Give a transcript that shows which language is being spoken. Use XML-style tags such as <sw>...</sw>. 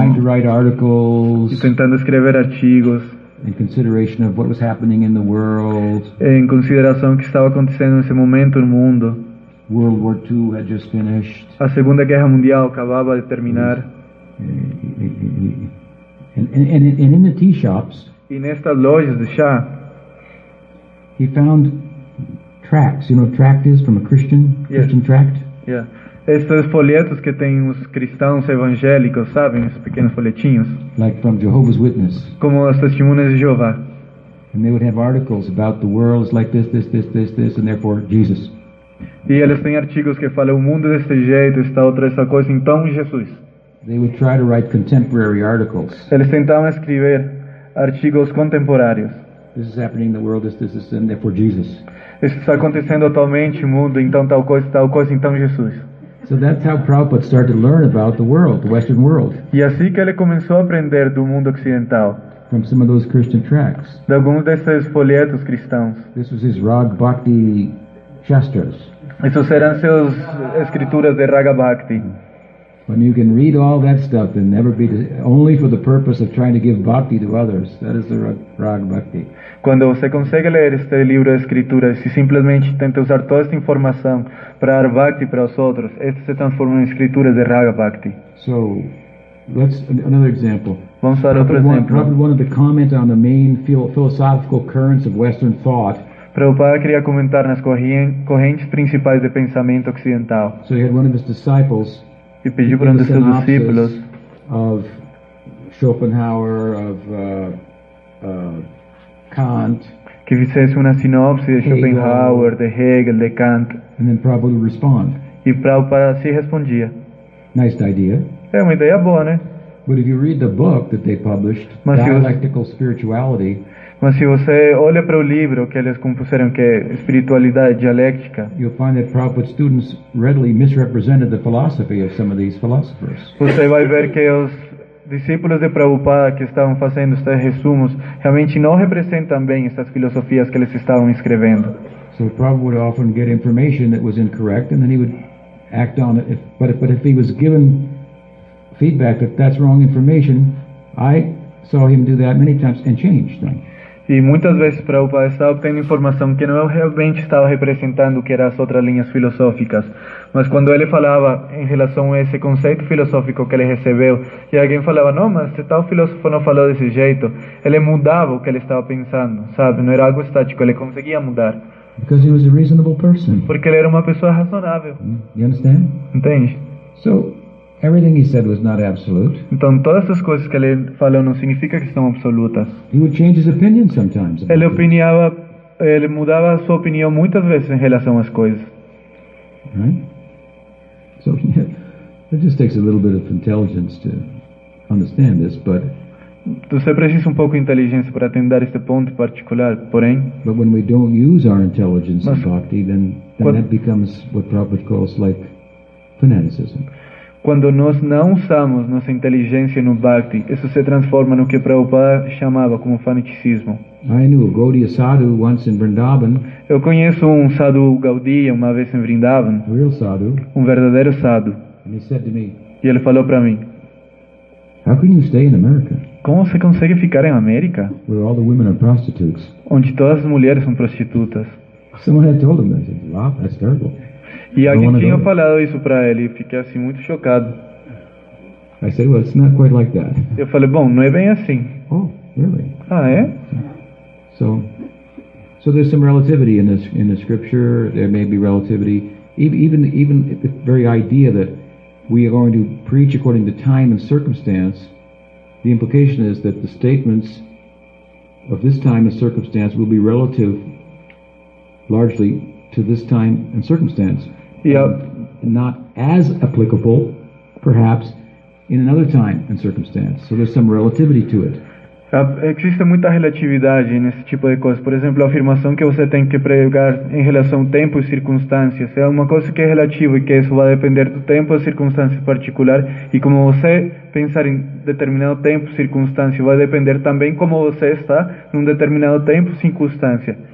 <en>Trying to write articles.</en> <pt>E tentando escrever artigos.</pt> <en>In consideration of what was happening in the world.</en> <pt>Em consideração que estava acontecendo nesse momento no mundo.</pt> <en>World War II had just finished.</en> <pt>A Segunda Guerra Mundial acabava de terminar.</pt> <en>And in the tea shops.</en> <pt>E nestas lojas de chá.</pt> <en>He found tracts. You know what a tract is from a Christian? Yes. Christian tract? Yeah.</en> <pt>Estes folhetos que tem os cristãos evangélicos, sabem? Esses pequenos folhetinhos.</pt> <en>Like from Jehovah's Witness.</en> <pt>Como as testemunhas de Jeová.</pt> <en>And they would have articles about the world is like this, this, this, this, this, and therefore Jesus.</en> <pt>E eles têm artigos que falam o mundo desse jeito, esta outra, essa coisa, então Jesus.</pt> <en>They would try to write contemporary articles.</en> <pt>Eles tentavam escrever artigos contemporâneos.</pt> <en>This is happening in the world, this is in there for Jesus.</en> <pt>Isso está acontecendo atualmente no mundo, então tal coisa, então Jesus.</pt> <en>So that's how Prabhupada started to learn about the world, the Western world.</en> <pt>E assim que ele começou a aprender do mundo ocidental.</pt> <en>From some of those Christian tracts.</en> <pt>De alguns desses folhetos cristãos.</pt> <en>This was his Rag Bhakti Shastras.</en> <pt>Essas eram suas escrituras de Raga Bhakti.</pt> <en>When you can read all that stuff and never be only for the purpose of trying to give bhakti to others, that is the Rag Bhakti.</en> <pt>Quando você consegue ler este livro de escrituras e simplesmente tenta usar toda esta informação para dar bhakti para os outros, este se transforma em escrituras de Raga Bhakti.</pt> <en>So, let's another example.</en> <pt>Vamos dar outro exemplo.</pt> <en>Prabhupada wanted to comment on the main philosophical currents of Western thought.</en> <pt>Prabhupada queria comentar nas correntes principais de pensamento ocidental.</pt> <en>So he had one of his disciples.</en> <pt>E pediu para um dos seus discípulos</pt> <en>of Schopenhauer, of Kant,</en> <pt>que fizesse uma sinopse de Schopenhauer, de Hegel, de Kant,</pt> <en>and then probably respond.</en> <pt>E Prabhupada se respondia.</pt> <en>Nice idea.</en> <pt>É uma ideia boa, né?</pt> <en>But if you read the book that they published, Dialectical Spirituality,</en> <pt>mas se você olha para o livro que eles compuseram, que é Espiritualidade Dialéctica,</pt> <en>you'll find that Prabhupada's students readily misrepresented the philosophy of some of these philosophers.</en> <pt>Você vai ver que os discípulos de Prabhupada que estavam fazendo estes resumos realmente não representam bem essas filosofias que eles estavam escrevendo.</pt> <en>So Prabhupada would often get information that was incorrect, and then he would act on it. But if he was given feedback that that's wrong information, I saw him do that many times and change things.</en> <pt>E muitas vezes Prabhupada estava obtendo informação que não realmente estava representando o que eram as outras linhas filosóficas. Mas quando ele falava em relação a esse conceito filosófico que ele recebeu, e alguém falava, não, mas se tal filósofo não falou desse jeito, ele mudava o que ele estava pensando, sabe? Não era algo estático, ele conseguia mudar.</pt> <en>Because he was a reasonable person.</en> <pt>Porque ele era uma pessoa razonável.</pt> <en>You understand?</en> <pt>Entende?</pt> <en>So, everything he said was not absolute.</en> <pt>Então todas as coisas que ele falou não significa que são absolutas.</pt> <en>He would change his opinion sometimes.</en> <pt>Ele mudava a sua opinião muitas vezes em relação às coisas.</pt> <en>Right? So it just takes a little bit of intelligence to understand this, but</en> <pt>você precisa um pouco de inteligência para atender este ponto particular, porém.</pt> <en>But when we don't use our intelligence in bhakti, then that becomes what Prabhupada calls like fanaticism.</en> <pt>Quando nós não usamos nossa inteligência no bhakti, isso se transforma no que Prabhupada chamava como fanaticismo.</pt> <en>I knew a Gaudiya sadhu once in Vrindavan.</en> <pt>Eu conheço um sadhu Gaudiya uma vez em Vrindavan.</pt> <en>A real sadhu.</en> <pt>Um verdadeiro sadhu.</pt> <en>And he said to me,</en> <pt>e ele falou para mim,</pt> <en>how can you stay in America?</en> <pt>Como você consegue ficar em América?</pt> <en>Where all the women are prostitutes.</en> <pt>Onde todas as mulheres são prostitutas.</pt> <en>Someone had told him that. He said, wow, that's terrible.</en> <pt>E alguém tinha falado isso para ele e fiquei assim muito chocado.</pt> <en>I said, well, it's not quite like that.</en> <pt>Eu falei, bom, não é bem assim.</pt> <en>Oh, really?</en> <pt>Ah, é?</pt> <en>So there's some relativity in the scripture. There may be relativity, even the very idea that we are going to preach according to time and circumstance. The implication is that the statements of this time and circumstance will be relative, largely, to this time and circumstance. Yep. Not as applicable, perhaps, in another time and circumstance. So there's some relativity to it.</en> <pt>Existe muita relatividade nesse tipo de coisa. Por exemplo, a afirmação que você tem que pregar em relação ao tempo e circunstâncias é uma coisa que é relativa e que isso vai depender do tempo e circunstâncias particular. E como você pensar em determinado tempo e circunstância vai depender também como você está num determinado tempo e circunstância.</pt>